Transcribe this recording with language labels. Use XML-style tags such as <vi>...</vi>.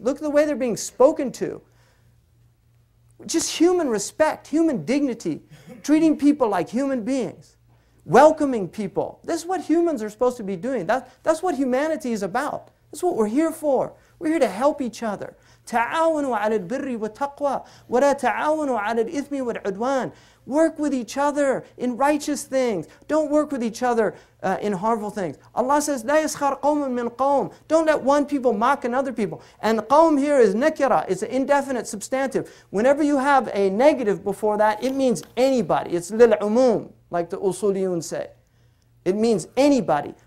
<en>Look at the way they're being spoken to. Just human respect, human dignity, treating people like human beings, welcoming people. This is what humans are supposed to be doing. That's what humanity is about. That's what we're here for. We're here to help each other.</en> <ar>تَعَاوَنُوا عَلَى الْبِرِّ وَتَقْوَى وَلَا تَعَاوَنُوا عَلَى الْإِثْمِ وَالْعُدْوَانِ</ar> <en>Work with each other in righteous things. Don't work with each other in harmful things. Allah says,</en> <ar>لَا يَسْخَرْ قَوْمٌ مِّنْ قَوْمٍ</ar> <en>Don't let one people mock another people. And qawm here is nakira. It's an indefinite substantive. Whenever you have a negative before that, it means anybody. It's lil'umum, like the usuliyun say. It means anybody.</en>